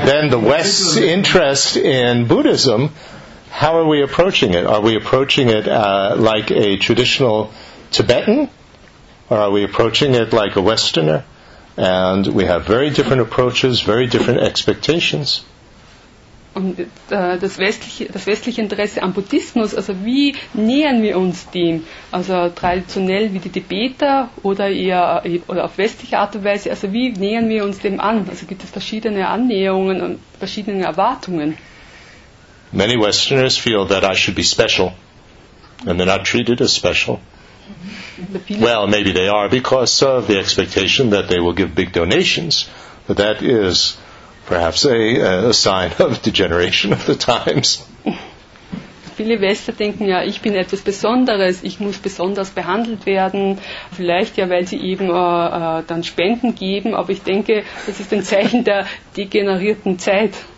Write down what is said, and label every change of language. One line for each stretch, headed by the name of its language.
English: Then the West's interest in Buddhism, how are we approaching it? Are we approaching it like a traditional Tibetan? Or are we approaching it like a Westerner? And we have very different approaches, very different expectations.
German: Und das westliche Interesse am Buddhismus, also wie nähern wir uns dem? Also traditionell wie die Tibeter oder eher oder auf westliche Art und Weise, also wie nähern wir uns dem an? Also gibt es verschiedene Annäherungen und verschiedene Erwartungen?
English: Many Westerners feel that I should be special and they're not treated as special. Well, maybe they are because of the expectation that they will give big donations, but that is perhaps a sign of degeneration of the times.
German: Viele Wester denken ja, ich bin etwas Besonderes, ich muss besonders behandelt werden. Vielleicht ja, weil sie eben dann Spenden geben, aber ich denke, das ist ein Zeichen der degenerierten Zeit.